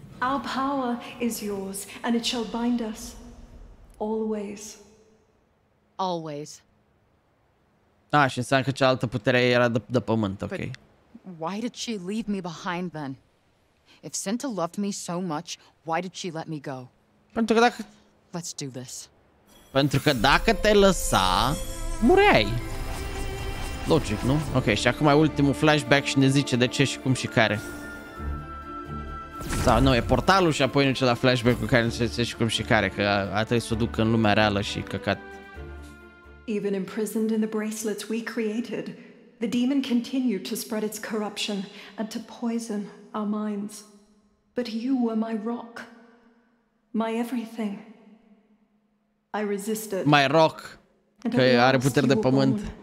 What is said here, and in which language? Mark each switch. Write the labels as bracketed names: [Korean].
[English] Our power is yours and it shall bind us. Always. Always. [Romanian] Ah, și înseamnă că cealaltă putere era de pământ, ok. [English] But why did she leave me behind then? If Senta loved me so much, why did she let me go? [Romanian] Pentru că dacă... [English] Let's do this. [Romanian] Pentru că dacă te lăsa, mureai. Logic, nu? Ok, și acum e ultimul flashback și ne zice de ce și cum și care. Sau nu, e portalul și apoi nici la flashback cu care ne zice și cum și care, că a trebuit să o ducă în lumea reală și căcat. [English] Even imprisoned in the bracelets we created, the demon continued to spread its corruption and to poison our minds. But you were my rock. My everything. I resisted. My rock. [Romanian] Că are puteri de pământ.